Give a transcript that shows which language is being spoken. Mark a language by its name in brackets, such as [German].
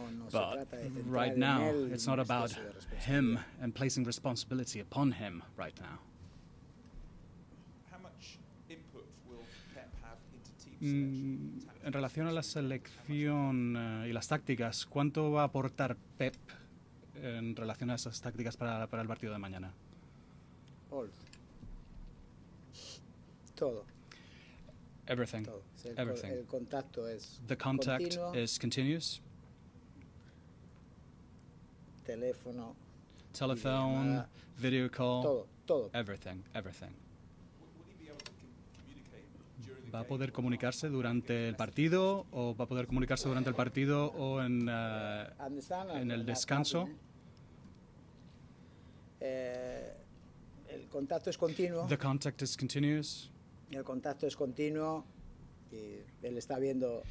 [English] But right now, it's not about him and placing responsibility upon him right now. How much input will Pep have into team selection? [Spanish] En relación a la selección y las tácticas, ¿cuánto va a aportar Pep en relación a esas tácticas para el partido de mañana? [English] All. [Spanish] Todo. [English] Everything. Everything. [Spanish] El contacto es [English] the contact [Spanish] continuo. [English] Is continuous. [Spanish] Teléfono, [English] telephone, [Spanish] llamada, [English] video call. [Spanish] Todo, todo. [English] Everything. Everything. Would he be able to communicate during the [Spanish] va a poder comunicarse durante el partido o va a poder comunicarse durante el partido o en en el descanso. El contacto es continuo. [English] The contact is continuous. [Spanish] El contacto es continuo y él está viendo,